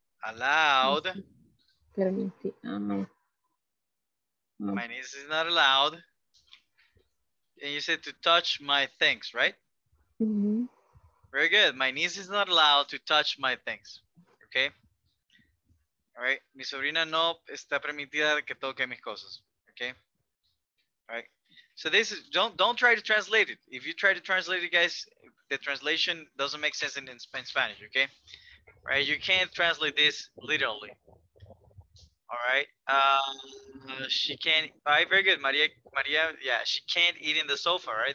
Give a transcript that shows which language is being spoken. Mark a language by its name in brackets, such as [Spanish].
[English] Allowed. [Spanish] Permite. [English] My niece is not allowed. And you said to touch my things, right? Mm-hmm. Very good. My niece is not allowed to touch my things. Okay. All right. [Spanish] Mi sobrina no está permitida que toque mis cosas. [English] Okay. All right. So this is, don't try to translate it. If you try to translate it, guys, the translation doesn't make sense in Spanish, okay? Right, you can't translate this literally. All right, she can't, all right, very good, Maria, yeah, she can't eat in the sofa, right?